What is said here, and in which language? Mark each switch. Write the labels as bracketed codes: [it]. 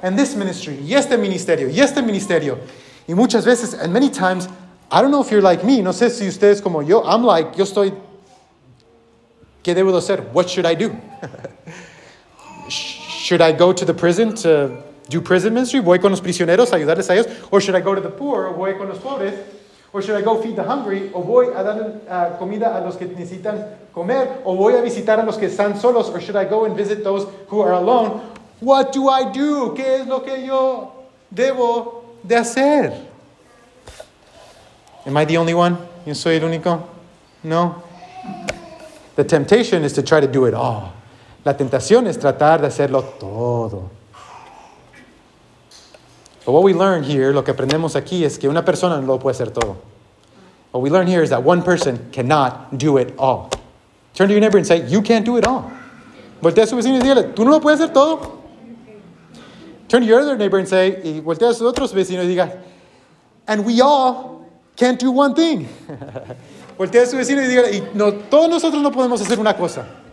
[en] And this ministry. [es] Y este ministerio. Y este ministerio. Y muchas veces, [en] and many times, I don't know if you're like me. [es] No sé si ustedes como yo. [en] I'm like, [es] yo estoy... ¿Qué debo hacer? [en] What should I do? Should I go to the prison to do prison ministry? [es] ¿Voy con los prisioneros a ayudarles a ellos? [en] Or should I go to the poor? [es] ¿Voy con los pobres? [en] Or should I go feed the hungry? [es] ¿O voy a dar comida a los que necesitan comer? ¿O voy a visitar a los que están solos? [en] Or should I go and visit those who are alone? What do I do? [es] ¿Qué es lo que yo debo de hacer? [en] Am I the only one? [es] ¿Yo soy el único? No. [en] The temptation is to try to do it all. [es] La tentación es tratar de hacerlo todo. [en] But what we learn here, [es] lo que aprendemos aquí, es que una persona no lo puede hacer todo. [en] What we learn here is that one person cannot do it all. Turn to your neighbor and say, you can't do it all. [es] Voltea a su vecino y dígale, tú no lo puedes hacer todo. [en] Turn to your other neighbor and say, [es] y voltea a su otro vecino y diga, [en] and we all can't do one thing. [es] Voltea a su vecino y diga, y no, todos nosotros no podemos hacer una cosa.